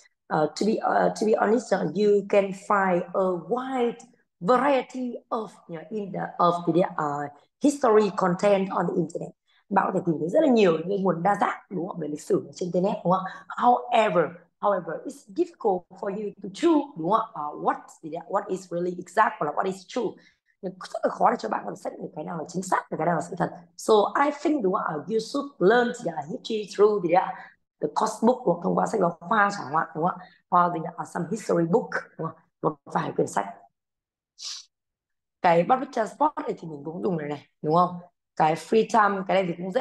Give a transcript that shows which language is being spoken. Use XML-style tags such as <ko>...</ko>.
<en>To be honest, you can find a wide variety of the history content on the internet.</en> <vi>Bạn có thể tìm thấy rất là nhiều những nguồn đa dạng đúng không, về lịch sử trên internet đúng không.</vi> <en>However, it's difficult for you to choose</en> <vi>đúng không,</vi> <en>what is really exact</en> <vi>hoặc là</vi> <en>what is true.</en> <vi>Nhưng rất là khó để cho bạn có thể xác định cái nào là chính xác và cái nào là sự thật.</vi> <en>So I think</en> <vi>đúng không,</vi> <en>you should learn history through the cost book,</en> <vi>thông qua sách giáo khoa chẳng hạn đúng không, hoặc là</vi> <en>some history book</en> <vi>đúng không, một vài quyển sách. Cái public transport này thì mình cũng dùng này đúng không, cái free time, cái này thì cũng dễ.</vi>